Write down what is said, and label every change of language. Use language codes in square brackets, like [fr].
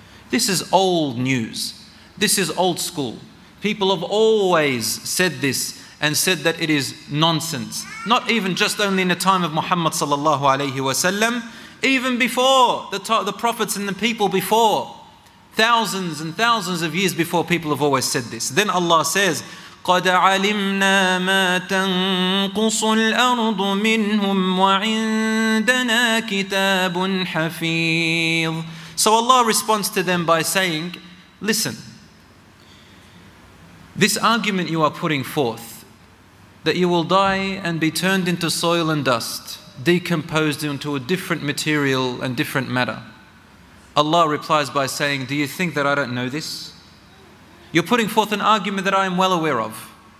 [en] This is old news. This is old school. People have always said this and said that it is nonsense. Not even just only in the time of Muhammad sallallahu alayhi wa sallam, even before the prophets and the people before Thousands and thousands of years before, people have always said this. Then Allah says, [ar] قَدْ عَلِمْنَا مَا تَنْقُصُ الْأَرْضُ مِنْهُمْ وَعِنْدَنَا كِتَابٌ حَفِيظٌ. [en] So Allah responds to them by saying, listen, this argument you are putting forth, that you will die and be turned into soil and dust, decomposed into a different material and different matter. Allah replies by saying, do you think that I don't know this? You're putting forth an argument that I am well aware of.